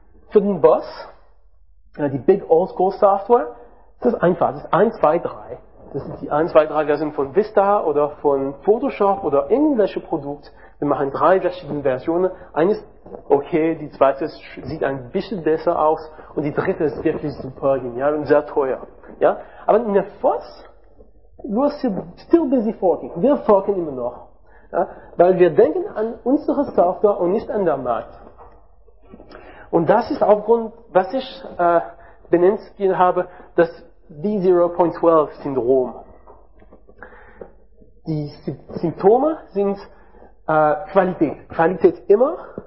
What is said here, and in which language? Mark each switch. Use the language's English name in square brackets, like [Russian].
[German] Für den Boss, die Big Old School Software, das ist einfach, das ist 1, 2, 3. Das ist die 1, 2, 3 Version von Vista oder von Photoshop oder irgendwelche Produkte. Wir machen 3 verschiedene Versionen. Eine ist okay, die zweite sieht ein bisschen besser aus und die dritte ist wirklich super genial und sehr teuer. Ja? Aber in der FOSS, [English] we're still busy forking. [German] Wir forken immer noch. Ja? Weil wir denken an unsere Software und nicht an den Markt. Und das ist aufgrund, was ich benennt habe, das V0.12-Syndrom. Die Symptome sind Qualität. Qualität immer.